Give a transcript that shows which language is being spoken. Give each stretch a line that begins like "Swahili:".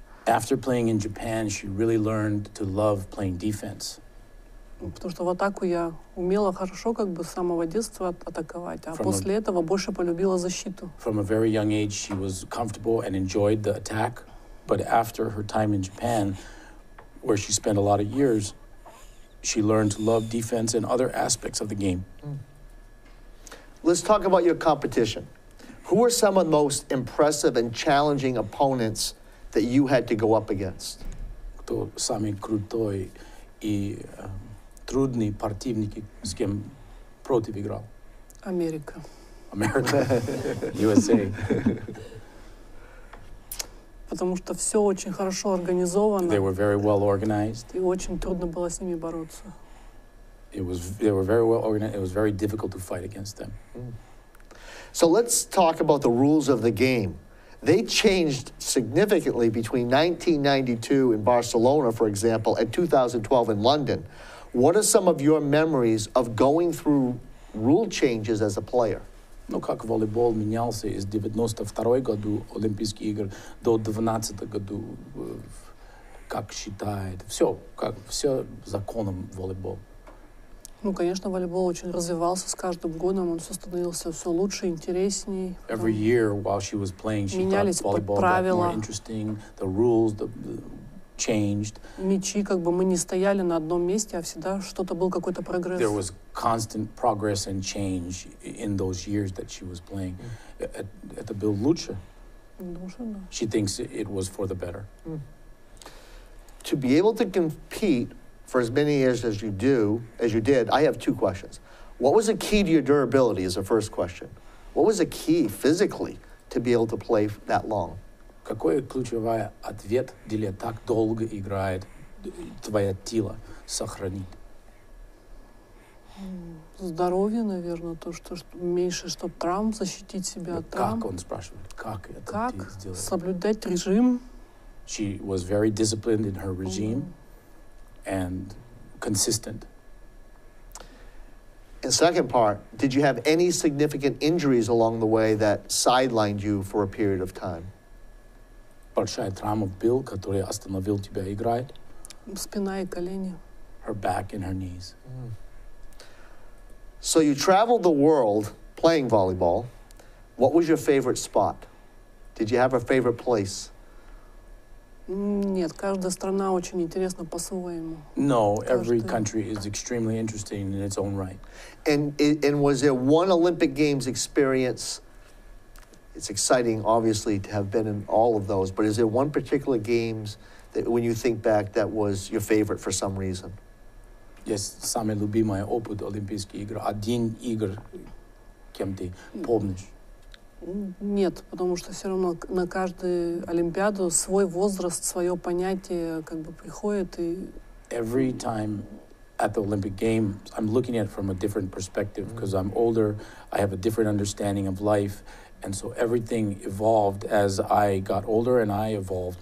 English: After playing in Japan, she really learned to love playing defense.
Russian: Потому что в атаку я умела хорошо, как бы с самого детства атаковать, а
English: from
Russian: после этого больше полюбила защиту.
English: From a very young age, she was comfortable and enjoyed the attack, but after her time in Japan, where she spent a lot of years, she learned to love defense and other aspects of the game. Let's talk about your competition. Who are some of the most impressive and challenging opponents that you had to go up against?
Russian: Кто самый крутой и трудный противник, с кем против играл? Америка. Америка. USA. Потому что все очень хорошо организовано.
English: They were very well organized.
Russian: И очень трудно было с ними бороться.
English: They were very well organized. It was very difficult to fight against them. So let's talk about the rules of the game. They changed significantly between 1992 in Barcelona, for example, and 2012 in London. What are some of your memories of going through rule changes as a player?
Russian: Ну, как волейбол менялся из 92 году Олимпийские игры до 12 году, как считает, все законом волейбол. Ну, конечно, волейбол очень развивался с каждым годом, он все становился все лучше, интересней.
English: Every year, while she was playing, she
Russian: менялись
English: thought volleyball
Russian: правила.
English: Got more interesting, the rules, the changed.
Russian: Мячи, как бы мы не стояли на одном месте, а всегда что-то был какой-то прогресс.
English: There was constant progress and change in those years that she was playing.
Russian: Это было лучше.
English: She thinks it was for the better. To be able to compete for as many years as you do, as you did, I have two questions. What was the key to your durability is the first question. What was the key physically to be able to play that long?
Russian: Какой ключевой ответ для так долго играет твое тело сохранить? Здоровье, наверное, то, что меньше, чтобы травм, защитить себя от травм. Как, он спрашивает, как это сделать? Как соблюдать режим?
English: She was very disciplined in her regime and consistent. And second part, did you have any significant injuries along the way that sidelined you for a period of time?
Russian: Большая травма был, который остановил тебя играть. Спина и колени.
English: Her back and her knees. So you traveled the world playing volleyball. What was your favorite spot? Did you have a favorite place?
Russian: Нет, каждая страна очень интересна по-своему.
English: No, every country is extremely interesting in its own right. And was there one Olympic Games experience? It's exciting, obviously, to have been in all of those, but is there one particular games that, when you think back, that was your favorite for some reason?
Russian: Yes, самый любимый опыт олимпийских игр, один игр, кем ты помнишь? Нет, потому что все равно на каждую олимпиаду свой возраст, свое понятие как бы приходит и.
English: Every time at the Olympic Games, I'm looking at it from a different perspective because I'm older, I have a different understanding of life. And so everything evolved as I got older and I evolved.